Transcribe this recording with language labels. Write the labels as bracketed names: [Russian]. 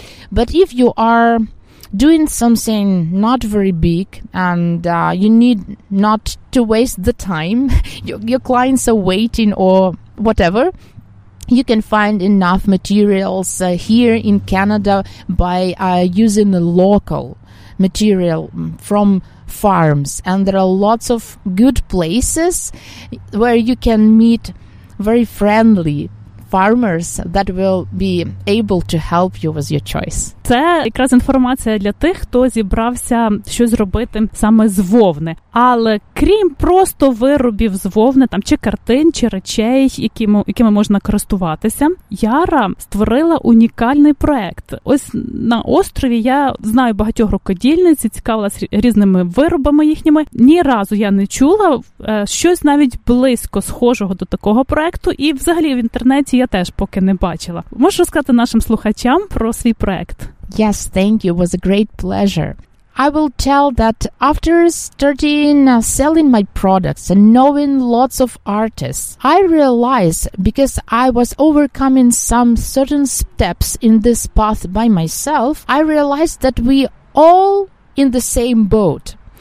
[English] But if you are doing something not very big and you need not to waste the time, your clients are waiting or whatever, you can find enough materials here in Canada by using the local material from farms. And there are lots of good places where you can meet very friendly farmers that will be able to help you with your choice. [Ukrainian] Це якраз інформація для тих, хто зібрався щось робити саме з вовни. Але крім просто виробів з вовни, там чи картин, чи речей, якими можна користуватися, Яра створила унікальний проект. Ось на острові я знаю багатьох рукодільниць, цікавилась різними виробами їхніми. Ні разу я не чула щось навіть близько схожого до такого проекту, і взагалі в інтернеті я теж поки не бачила. Можеш розказати нашим слухачам про свій проект? [English] Yes, thank you. It was a great pleasure. I will tell that after starting selling my products and knowing lots of artists, I realized because I was overcoming some certain steps in this path by myself, I realized that we all in the same boat.